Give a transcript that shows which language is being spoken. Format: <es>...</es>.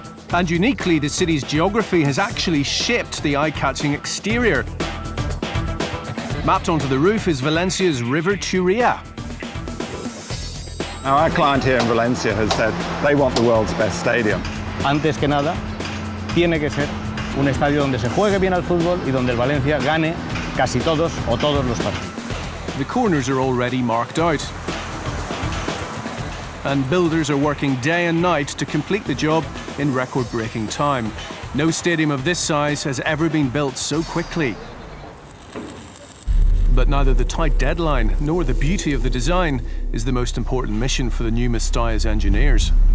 <en>And uniquely, the city's geography has actually shaped the eye-catching exterior. Mapped onto the roof is Valencia's River Turia. Now, our client here in Valencia has said they want the world's best stadium.</en> <es>Antes que nada, tiene que ser un estadio donde se juegue bien al fútbol y donde el Valencia gane casi todos o todos los partidos.</es> <en>The corners are already marked out. And builders are working day and night to complete the job in record-breaking time. No stadium of this size has ever been built so quickly. But neither the tight deadline nor the beauty of the design is the most important mission for the new Mestalla's engineers.</en>